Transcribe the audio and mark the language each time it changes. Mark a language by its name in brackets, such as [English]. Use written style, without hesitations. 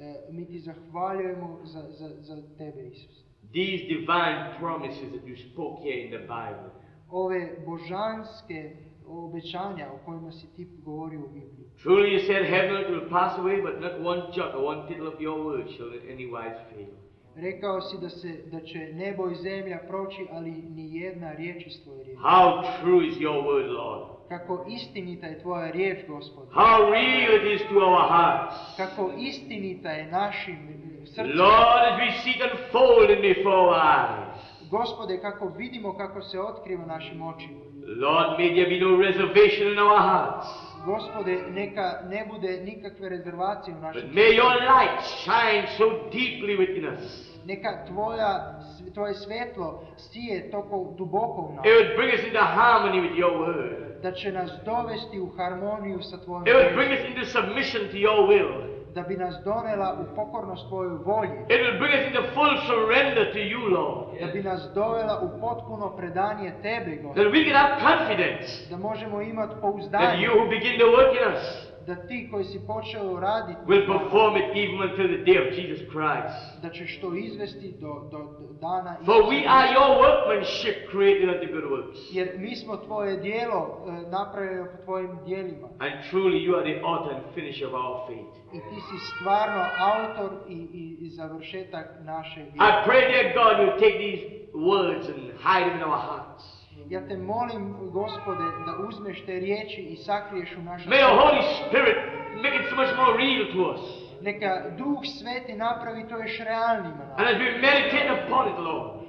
[Croatian] Mi ti zahvaljujemo za tebe, Isus. [English] These divine promises that you spoke here in the Bible. [Croatian] Ove božanske obećanja o kojima si ti govorio u Bibliji. [English] Truly you said heaven will pass away, but not one jot or one tittle of your word shall in any wise fail. [Croatian] Rekao si da će nebo i zemlja proći, ali ni jedna riječ iz tvoje riječi. [English] How true is your word, Lord? [Croatian] Kako istinita je tvoja riječ, Gospode. [English] How real it is to our hearts. [Croatian] Kako istinita je našim srcima. [English] Lord, as we see it unfolding before our eyes. [Croatian] Gospode, kako vidimo kako se otkriva našim očima. [English] Lord, may there be no reservation in our hearts. [Croatian] Gospode, neka ne bude nikakve rezervacije u našim. [English] May your light shine so deeply within us. [Croatian] Neka tvoje svjetlo sije toliko duboko u nas. [English] It would bring us into harmony with your word. [Croatian] Da će nas dovesti u harmoniju sa tvojom. [English] It would bring us into submission to your will. [Croatian] Da bi nas dovela u pokornost tvojoj volji. [English] It would bring us into full surrender to you, Lord. [Croatian] Da bi nas dovela u potpuno predanje tebi, Gospode. [English] That we can have confidence. [Croatian] Da možemo imati pouzdanje. [English] That you who begin to work in us. [Croatian] Da ti koji si počeo raditi. [English] Will perform it even until the day of Jesus Christ. [Croatian] Da ćeš to izvesti do dana. [English] For we are your workmanship created unto good works. [Croatian] Jer mi smo tvoje djelo napravili po tvojim djelima. [English] And truly you are the author and finisher of our faith. [Croatian] I ti si stvarno autor i završetak naše vjere. [English] I pray that God will take these words and hide them in our hearts. [Croatian] Ja te molim, Gospode, da uzmeš te riječi i sakriješ u naša srca. [English] May the Holy Spirit make it so much more real to us. [Croatian] Neka Duh Sveti napravi to još realnima. [English] And as we meditate upon it, Lord.